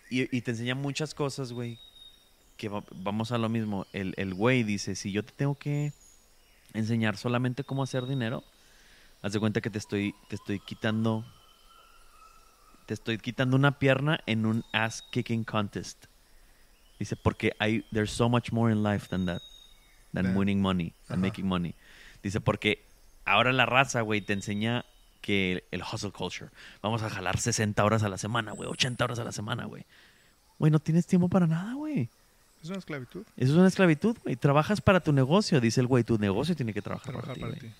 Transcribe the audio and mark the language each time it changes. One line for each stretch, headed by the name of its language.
Spanish: Y te enseña muchas cosas, güey. Que vamos a lo mismo. El güey dice, si yo te tengo que enseñar solamente cómo hacer dinero, haz de cuenta que te estoy quitando una pierna en un
English: ass kicking contest.
Spanish: Dice, porque
English: there's so much more in life than that. Than winning money, than making money.
Spanish: Dice, porque ahora la raza, güey, te enseña que el hustle culture. Vamos a jalar 60 horas a la semana, güey. 80 horas a la semana, güey. Güey, no tienes tiempo para nada, güey. Es una esclavitud. Eso es una esclavitud, güey. Trabajas para tu negocio, dice el güey. Tu negocio tiene que trabajar para ti. Güey.